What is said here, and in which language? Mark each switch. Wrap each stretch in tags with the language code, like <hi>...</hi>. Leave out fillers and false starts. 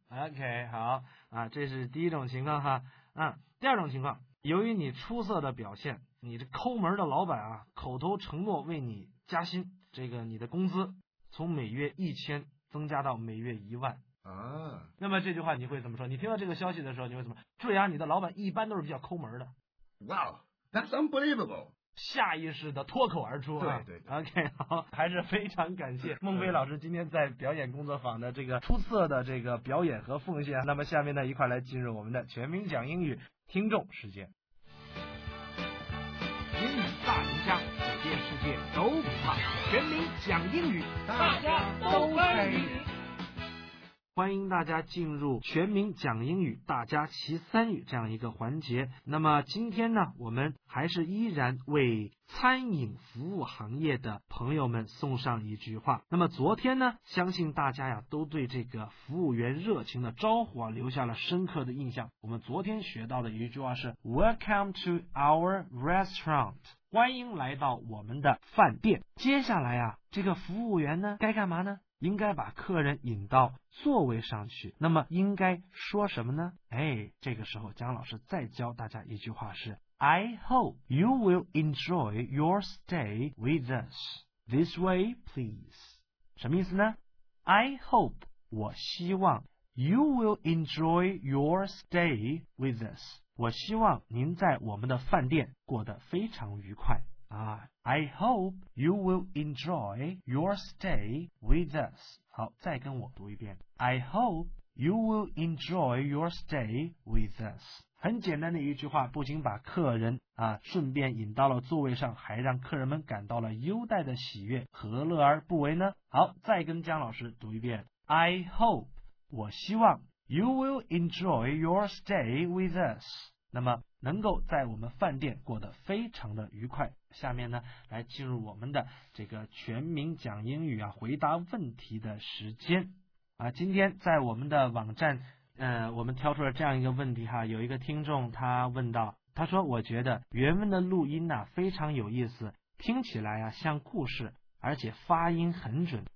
<zh>Okay, 好啊，这是第一种情况哈。第二种情况，由于你出色的表现，你这抠门的老板啊，口头承诺为你加薪，这个你的工资从每月1000增加到每月10000。啊，那么这句话你会怎么说？你听到这个消息的时候，你会怎么？对啊，你的老板一般都是比较抠门的。</zh> <en>Wow, that's unbelievable.</en> <zh>下意识的脱口而出啊，对 对 对，OK， 好，还是非常感谢孟非老师今天在表演工作坊的这个出色的这个表演和奉献。那么下面呢，一块来进入我们的全民讲英语听众时间。英语大赢家，走遍世界都不怕，全民讲英语，大家都参与。欢迎大家进入全民讲英语，大家齐参与这样一个环节。那么今天呢，我们还是依然为餐饮服务行业的朋友们送上一句话。那么昨天呢，相信大家呀都对这个服务员热情的招呼啊留下了深刻的印象。我们昨天学到的一句话是</zh> <en>Welcome to our restaurant，</en> <zh>欢迎来到我们的饭店。接下来啊，这个服务员呢该干嘛呢？应该把客人引到座位上去，那么应该说什么呢？哎，这个时候姜老师再教大家一句话是</zh> <en>I hope you will enjoy your stay with us. This way, please.</en> <zh>什么意思呢？</zh> <en>I hope</en> <zh>我希望</zh> <en>you will enjoy your stay with us.</en> <zh>我希望您在我们的饭店过得非常愉快。</zh> <en>I hope you will enjoy your stay with us.</en> <zh>好，再跟我读一遍。</zh> <en>I hope you will enjoy your stay with us.</en> <zh>很简单的一句话，不仅把客人啊顺便引到了座位上，还让客人们感到了优待的喜悦，何乐而不为呢？好，再跟姜老师读一遍。</zh> <en>I hope</en> <zh>我希望</zh> <en>you will enjoy your stay with us.</en> <zh>那么能够在我们饭店过得非常的愉快。下面呢，来进入我们的这个全民讲英语啊，回答问题的时间啊。今天在我们的网站，我们挑出了这样一个问题哈，有一个听众他问到，他说我觉得原文的录音呢非常有意思，听起来啊像故事，而且发音很准。</zh>